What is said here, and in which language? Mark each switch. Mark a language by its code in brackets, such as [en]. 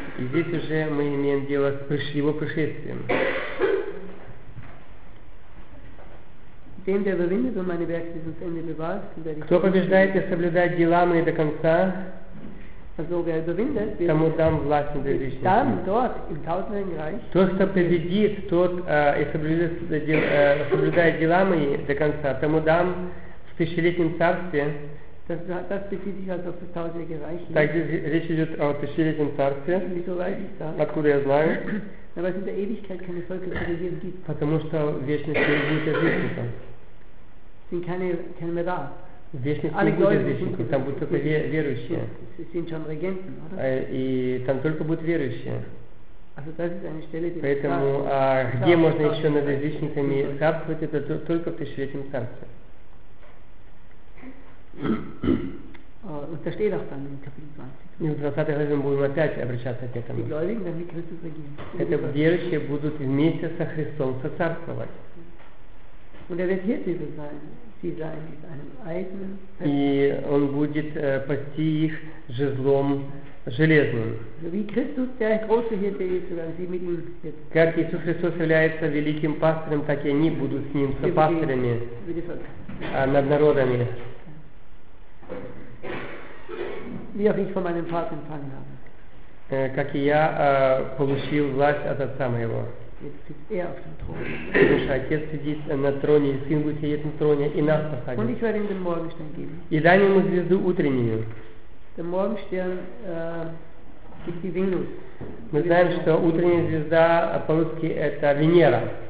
[ru] И здесь уже мы имеем дело с его пришествием. [de] Dem, der überwindet und meine Werke bis ans Ende bewahrt, dann werde ich. [ru] Кто побеждает и соблюдает дела мои до конца, [de] also, wer überwindet, [ru] тому дам власть над язычниками. Там, [de] dort, im tausendjährigen Reich. [ru] Тот, кто победит, тот и соблюдает дела мои до конца, тому дам в тысячелетнем царстве. [de] Das bezieht sich also auf das tausendjährige Reich. [ru] Так здесь речь идет о тысячелетнем царстве. [de] Wieso weiß ich das? [ru] Откуда я знаю? [de] Na, weil es in der Ewigkeit keine Völker zu regieren gibt. [ru] Потому что в вечности не будет язычников. [de] Sind keine mehr da. [ru] В вечности не будет язычников. Там будут только верующие. [de] Sie sind schon Regenten, oder? [ru] И там только будут верующие. [de] Also das ist eine Stelle, die [ru] поэтому, где можно еще над язычниками царствовать, это только в тысячелетнем царстве. [de] Und da steht auch dann im Kapitel 20. [ru] И в 20 главе мы будем опять обращаться к этому. [de] Die Gläubigen werden mit Christus regieren. [ru] Это верующие будут вместе со Христом соцарствовать. [de] Und er wird Hirte über sie sein mit einem eisernen. [ru] И он будет пасти их жезлом железным. [de] Wie Christus der große Hirte ist, werden sie mit ihm. [ru] Как Иисус Христос является великим пастырем, так и они будут с ним сопастырями над народами. [de] Wie auch ich von meinem Vater empfangen habe. [ru] Как и я получил власть от отца моего. [de] Jetzt sitzt er auf dem Thron. [ru] Потому что отец сидит на троне, и сын будет сидеть на троне, и нас посадит. [de] Und ich werde ihm den Morgenstern geben. [ru] И дам ему звезду утреннюю. [de] Der Morgenstern ist die Venus. [ru] Мы знаем, что утренняя звезда по-русски это Венера.